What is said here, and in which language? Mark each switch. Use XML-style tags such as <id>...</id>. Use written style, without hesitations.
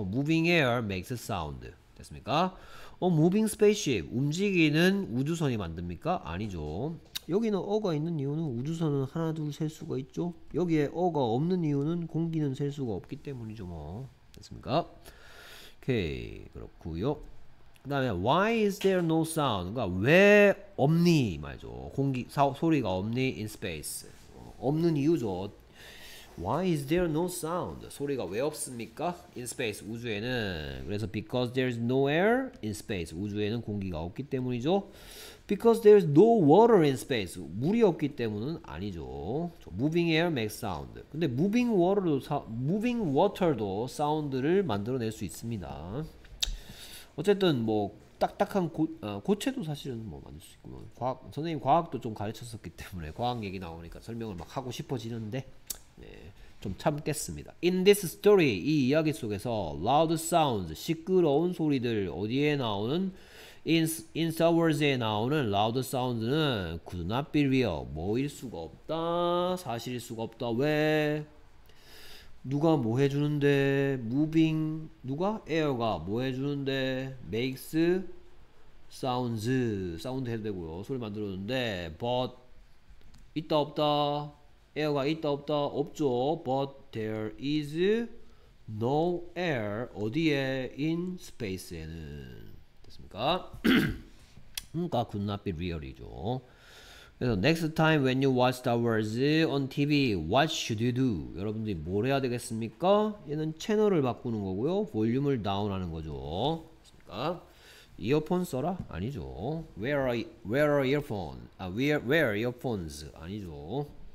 <en>moving air makes sound. 됐습니까? moving spaceship.</en> <ko>움직이는 우주선이 만듭니까? 아니죠. 여기는 어가 있는 이유는 우주선은 하나 둘셀 수가 있죠. 여기에 어가 없는 이유는 공기는 셀 수가 없기 때문이죠, 뭐. 됐습니까? 오케이. 그렇구요.</ko> <en>그 다음에 why is there no sound?</en> <ko>그러니까 왜 없니 말이죠. 공기 소리가 없니</ko> <en>in space. 없는 이유죠. Why is there no sound?</en> <ko>소리가 왜 없습니까?</ko> <en>in space 우주에는. 그래서 because there is no air in space</en> <ko>우주에는 공기가 없기 때문이죠.</ko> <en>because there is no water in space</en> <ko>물이 없기 때문은 아니죠.</ko> <en>moving air makes sound.</en> <ko>근데 moving water도 사운드를 만들어낼 수 있습니다. 어쨌든 뭐 딱딱한 고체도 사실은 뭐 만들 수 있고 과학 선생님 과학도 좀 가르쳤었기 때문에 과학 얘기 나오니까 설명을 막 하고 싶어지는데 네, 좀 참겠습니다. In this story 이 이야기 속에서</ko> <en>loud sounds</en> <ko>시끄러운 소리들 어디에 나오는 in Star Wars에 나오는 loud sounds는</ko> <en>could not be real</en> <ko>뭐일 수가 없다 사실일 수가 없다 왜 누가 뭐 해주는데 moving 누가 에어가 뭐 해주는데</ko> <en>makes sounds</en> <ko>해도 되고요 소리 만들었는데 but 있다 없다 에어가 있다 없다 없죠</ko> <en>but there is no air</en> <ko>어디에</ko> <en>in space</en> <ko>에는 됐습니까? 그러니까</ko> <en>could not be real</en> <ko>이죠.</ko> <en>그래서 next time when you watch Star Wars on TV, what should you do?</en> <ko>여러분들이 뭘 해야 되겠습니까? 얘는 채널을 바꾸는 거고요. 볼륨을 다운하는 거죠. 그러니까 이어폰 써라? 아니죠.</ko> <en>Where are earphone? 아, where are earphones?</en> <ko>아니죠.</ko>